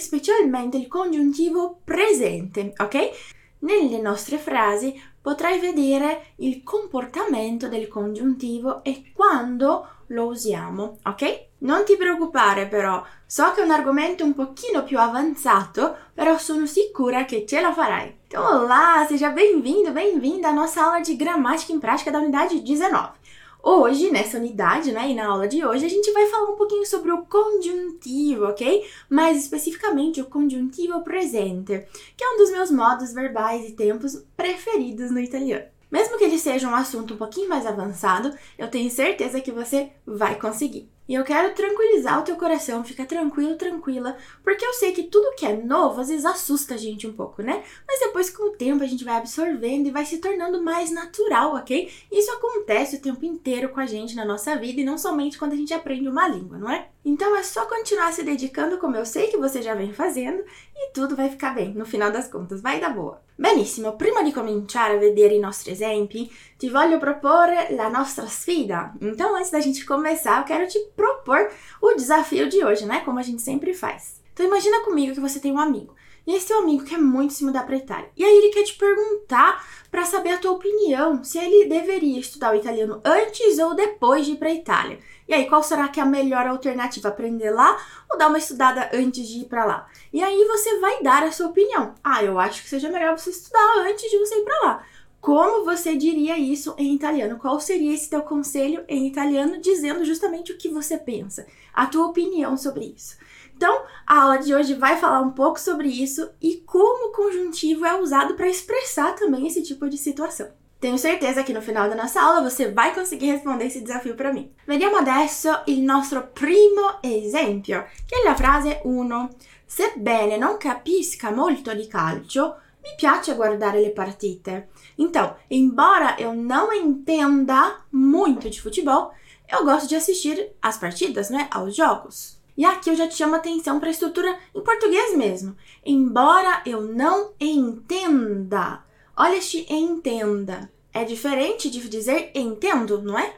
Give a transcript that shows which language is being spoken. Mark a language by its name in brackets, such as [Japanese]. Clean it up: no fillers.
[Italian] Specialmente il congiuntivo presente, ok? Nelle nostre frasi potrai vedere il comportamento del congiuntivo e quando lo usiamo, ok? Non ti preoccupare però, so che è un argomento un pochino più avanzato, però sono sicura che ce la farai. [Portuguese] Olá, seja bem-vindo, bem-vinda à nossa aula de gramática em prática da unidade 19. Hoje, nessa unidade, né, e na aula de hoje, a gente vai falar um pouquinho sobre o congiuntivo, ok? Mais especificamente o congiuntivo presente, que é um dos meus modos verbais e tempos preferidos no italiano. Mesmo que ele seja um assunto um pouquinho mais avançado, eu tenho certeza que você vai conseguir. E eu quero tranquilizar o teu coração, fica tranquilo, tranquila, porque eu sei que tudo que é novo às vezes assusta a gente um pouco, né? Mas depois, com o tempo, a gente vai absorvendo e vai se tornando mais natural, ok? Isso acontece o tempo inteiro com a gente na nossa vida e não somente quando a gente aprende uma língua, não é? Então é só continuar se dedicando, como eu sei que você já vem fazendo, e tudo vai ficar bem, no final das contas, vai dar boa. [Italian] Benissimo, prima di cominciare a vedere i nostri esempi, ti voglio proporre la nostra sfida. [Portuguese] Então, antes da gente começar, eu quero te propor o desafio de hoje, né? Como a gente sempre faz. Então, imagina comigo que você tem um amigo. E esse teu amigo quer muito se mudar para Itália. E aí, ele quer te perguntar para saber a tua opinião, se ele deveria estudar o italiano antes ou depois de ir para Itália. E aí, qual será que é a melhor alternativa? Aprender lá ou dar uma estudada antes de ir para lá? E aí, você vai dar a sua opinião. Ah, eu acho que seja melhor você estudar antes de você ir para lá. Como você diria isso em italiano? Qual seria esse teu conselho em italiano, dizendo justamente o que você pensa, a tua opinião sobre isso? Então, a aula de hoje vai falar um pouco sobre isso e como o conjuntivo é usado para expressar também esse tipo de situação. Tenho certeza que no final da nossa aula você vai conseguir responder esse desafio para mim. [Italian] Vediamo adesso il nostro primo esempio, che è la frase 1. Sebbene non capisca molto di calcio, mi piace guardare le partite. [Portuguese] Então, embora eu não entenda muito de futebol, eu gosto de assistir às partidas, né? Aos jogos. E aqui eu já te chamo a atenção para a estrutura em português mesmo. Embora eu não entenda. Olha este entenda. É diferente de dizer entendo, não é?